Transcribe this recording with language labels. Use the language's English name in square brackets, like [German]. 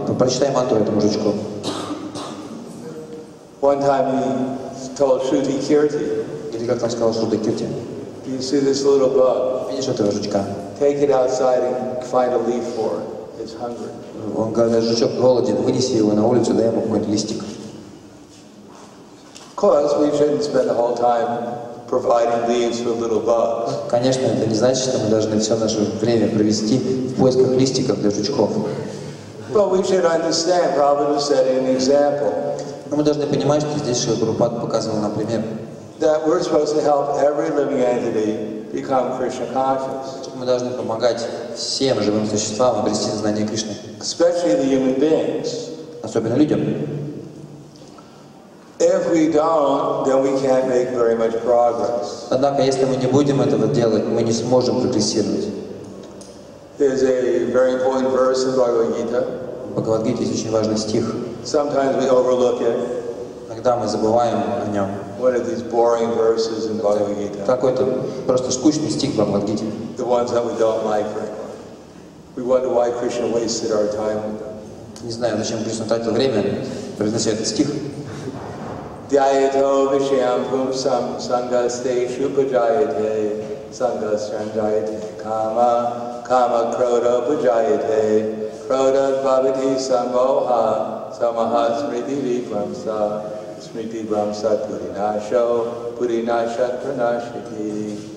[Russian] Прочитай мантру этому мужичку. [English] One time he told Shruti Kirti. [Russian] Или как он сказал Шруди Кирти? [English] You see this little bug? [Russian] Видишь этого жучка? [English] Take it outside and find a leaf for it. It's hungry. [Russian] Он говорит, жучок голоден, вынеси его на улицу, дай ему какой-нибудь листик. [English] Because we shouldn't spend the whole time providing leaves for little bugs. [Russian] Конечно, это не значит, что мы должны все наше время провести в поисках листиков для жучков. [English] But we should understand, Prabhupada setting an example. [Russian] Но мы должны понимать, что здесь Шрила Прабхупада показывал нам пример. [English] That we're supposed to help every living entity become Krishna conscious. [Russian] Мы должны помогать всем живым существам обрести знание Кришны. [English] Especially the human beings. [Russian] Особенно людям. [English] If we don't, then we can't make very much progress. [Russian] Однако, если мы не будем этого делать, мы не сможем прогрессировать. [English] There's a very important verse in Bhagavad Gita. [Russian] В Бхагавад-гите есть очень важный стих. [English] Sometimes we overlook it. [Russian] Иногда мы забываем о нем. [English] What are these boring verses in Bhagavad Gita? [Russian] Какой-то просто скучный стих в Бхагавад-гите. [English] The ones that we don't like very much. We wonder why Krishna wasted our time with them. [Russian] Не знаю, зачем Кришна тратил время, произнося этот стих. [Sanskrit] Дьяйто вишьям пум сам санга сте шупа джайте санга стран джайте кама кама крода пуджайте крода бхавати самоха самаха смрити випрамса смрити брамса пуринашо пуринаша пранашити.